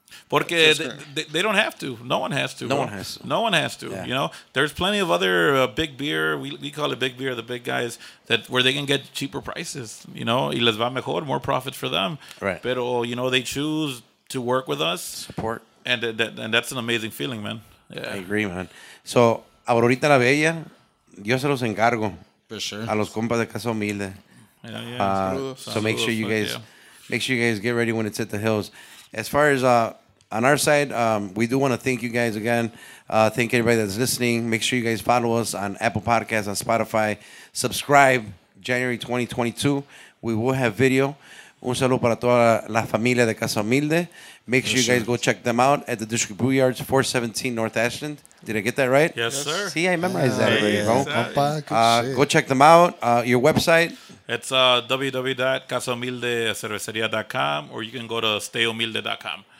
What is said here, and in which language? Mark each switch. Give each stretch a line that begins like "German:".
Spanish: Porque
English: they don't have to. No one has to. No one has to. Yeah. You know, there's plenty of other big beer. We call it big beer. The big guys that where they can get cheaper prices. You know,
Spanish: y les va mejor,
English: more profits for them. Right.
Spanish: Pero
English: you know they choose to work with us. Support. And that's an amazing feeling, man. Yeah. I agree, man.
Spanish: So Aurorita la Bella, yo se los encargo.
English: For sure.
Spanish: A los compas de Casa Humilde.
English: Yeah. Make sure you guys get ready when it's at the hills. As far as on our side, we do want to thank you guys again. Thank everybody that's listening. Make sure you guys follow us on Apple Podcasts, on Spotify. Subscribe January 2022. We will have video.
Spanish: Un saludo para toda la familia de Casa Humilde.
English: Make sure you guys go check them out at the District Brew Yards, 417 North Ashland. Did I get that right? Yes, sir. See, I memorized that already, bro. Go check them out. Your website? It's www.casahumildecerveceria.com, or you can go to stayhumilde.com.